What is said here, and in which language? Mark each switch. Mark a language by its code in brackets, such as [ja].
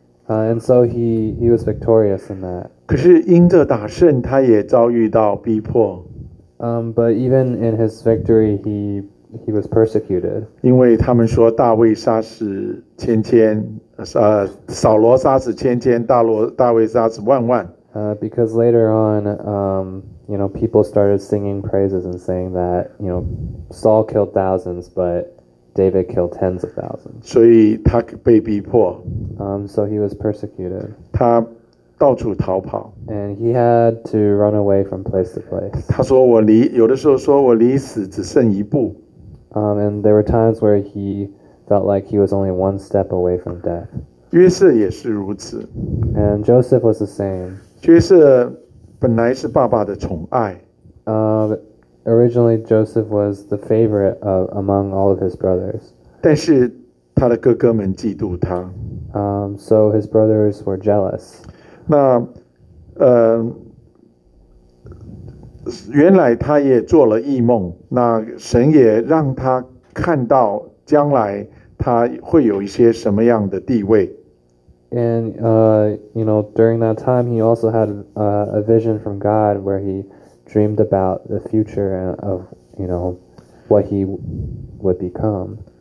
[en] And so he was victorious in that. [zh] 可是因着打胜，他也遭遇到逼迫。 [en] But even in his victory, he was persecuted. [zh] 因为他们说大卫杀死千千，扫罗杀死千千，大卫杀死万万。 [en] Because later on, you know, people started singing praises and saying that, you know, Saul killed thousands, but David killed tens of thousands. [zh] 所以他被逼迫。 [en] So he was persecuted. [zh] 他到处逃跑。 [en] And he had to run away from place to place. [zh] 他说我离，有的时候说我离死只剩一步。 [en] And there were times where he felt like he was only one step away from death. [zh] 约瑟也是如此。 [en] And Joseph was the same. [zh] 约瑟本来是爸爸的宠爱。 [en] Originally, Joseph was the favorite of among all of his brothers. [zh] 但是他的哥哥们嫉妒他。 [en] So his brothers were jealous. [zh] 那，原来他也做了异梦，那神也让他看到将来他会有一些什么样的地位。 [en] And you know, during that time, he also had a vision from God where he dreamed about the future of, you know, what he would become.